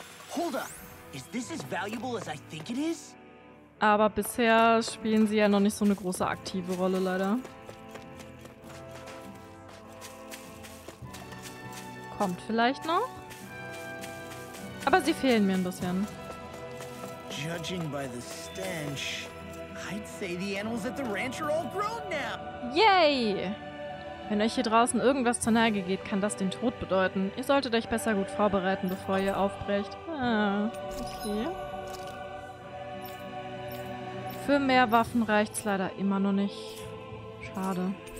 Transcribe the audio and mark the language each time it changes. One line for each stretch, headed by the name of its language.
English: Hold up. Is this as valuable as I think it is?
German: Aber bisher spielen sie ja noch nicht so eine große aktive Rolle, leider. Kommt vielleicht noch. Aber sie fehlen mir ein bisschen.
English: Judging by the stench, I'd say the animals at the ranch are all grown now. Yay!
German: Wenn euch hier draußen irgendwas zur Neige geht, kann das den Tod bedeuten. Ihr solltet euch besser gut vorbereiten, bevor ihr aufbrecht. Ah, okay. Für mehr Waffen reicht's leider immer noch nicht. Schade.